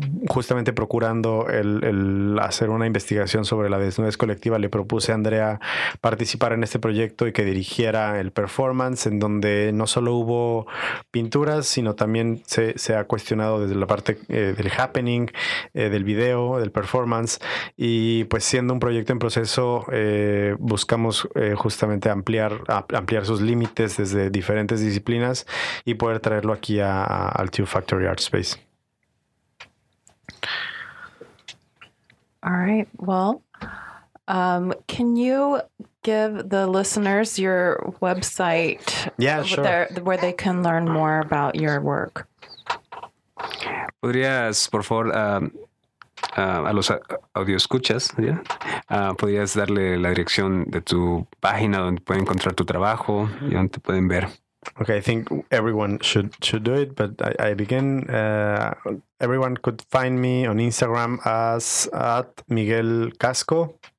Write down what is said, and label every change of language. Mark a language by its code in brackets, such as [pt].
[es] justamente procurando el hacer una investigación sobre la desnudez colectiva, le propuse a Andrea participar en este proyecto y que dirigiera el performance, en donde no solo hubo pinturas, sino también se ha cuestionado desde la parte del happening, del video, del performance. Y pues, siendo un proyecto en proceso, buscamos justamente ampliar sus límites desde diferentes disciplinas y poder traerlo aquí al Two Factory Art Space. [en] All right, well, can you give the listeners your website? Yeah, sure. Where they can learn more about your work. [es] ¿Podrías, por favor, a los audioscuchas, ¿sí? ¿Podrías darle la dirección de tu página donde pueden encontrar tu trabajo y donde te pueden ver? [en] Okay, I think everyone should do it, but I begin. Everyone could find me on Instagram as at Miguel Casco.